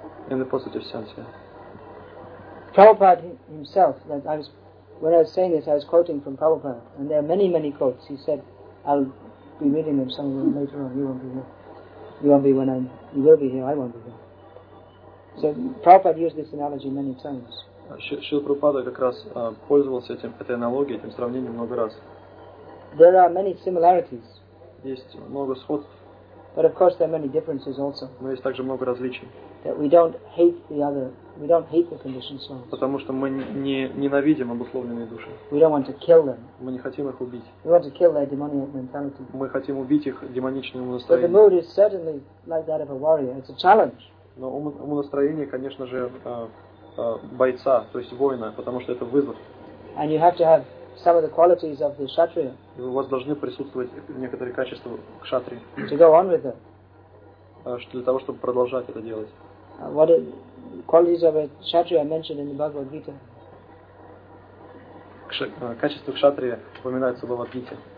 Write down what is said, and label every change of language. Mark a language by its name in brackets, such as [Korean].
[English] In the positive sense, yeah. Prabhupada himself, that I was. When I was saying this, I was quoting from Prabhupada, and there are many, many quotes. He said, I'll be meeting him somewhere later on, you will be here, I won't be here. So Prabhupada used this analogy many times. [Russian] Шрила Прабхупада как раз пользовался этой аналогией, этим сравнением много раз. [English] There are many similarities. [Russian] Есть много сходств. [English] But of course there are many differences also. [Russian] Но есть также много различий. [English] That we don't hate the other, we don't hate the conditioned souls. [Russian] Потому что мы не ненавидим обусловленные души. [English] We don't want to kill them. [Russian] Мы не хотим их убить. [English] We want to kill their demonic mentality. [Russian] Мы хотим убить их демоничное умонастроение. [English] But the mood is certainly like that of a warrior. It's a challenge. [Russian] Но умонастроение, конечно же, бойца, то есть воина, потому что это вызов. [English] And you have to have some of the qualities of the kshatriya. [Russian] И у вас должны присутствовать некоторые качества кшатрии. [English] To go on with it. [Russian] Для того, чтобы продолжать это делать. [English] What qualities of a kshatriya are mentioned in the Bhagavad Gita? [Russian] Качества кшатрии упоминаются в Бхагавад Гите.